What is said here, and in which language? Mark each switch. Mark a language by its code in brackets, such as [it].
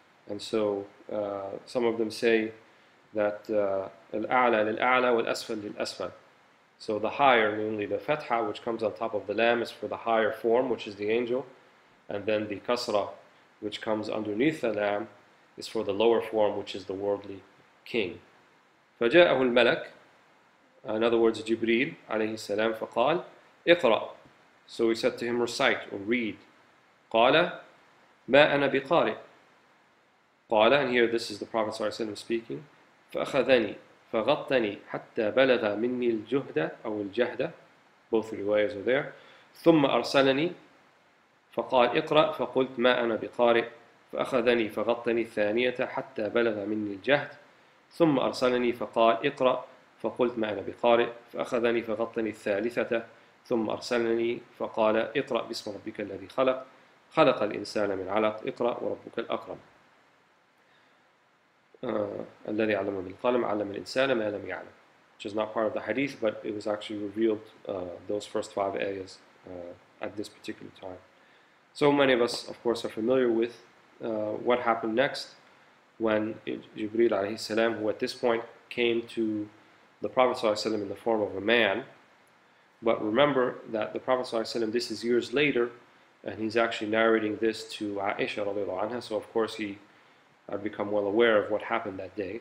[en] And so some of them say that [ar] al-a'la lil-a'la wal-asfal lil-asfal. [en] So the higher, namely the fatha, which comes on top of the lam, is for the higher form, which is the angel. And then the kasra, which comes underneath the lam, is for the lower form, which is the worldly king. [ar] فجاءه الملك, [en] in other words, Jibreel [ar] عليه السلام, فقال اقرأ. [en] So he said to him, recite or read. [ar] قال ما أنا بقارئ. [en] قال, and here this is the Prophet صلى الله عليه وسلم speaking. [ar] فأخذني فغطني حتى بلغ مني الجهدة أو الجهدة. [en] Both riwayas are there. [ar] ثم أرسلني فقال اقرأ فقلت ما أنا بقارئ. فأخذني فغطني ثانية حتى بلغ مني الجهد. ثم أرسلني فقال اقرأ فقلت ما أنا بقارئ. فأخذني فغطني الثالثة ثم أرسلني فقال اقرأ باسم ربك الذي خلق خلق الإنسان من علق اقرأ وربك الأكرم الذي علم بالقلم علم الإنسان ما لم يعلم, [en] which is not part of the hadith, but it was actually revealed those first five ayahs at this particular time. So many of us, of course, are familiar with what happened next when Jibreel alayhi salam, who at this point came to the Prophet sallallahu alayhi wasallam in the form of a man. But remember that the Prophet sallallahu alayhi wa sallam, this is years later, and he's actually narrating this to Aisha radiallahu anha, so of course he had become well aware of what happened that day.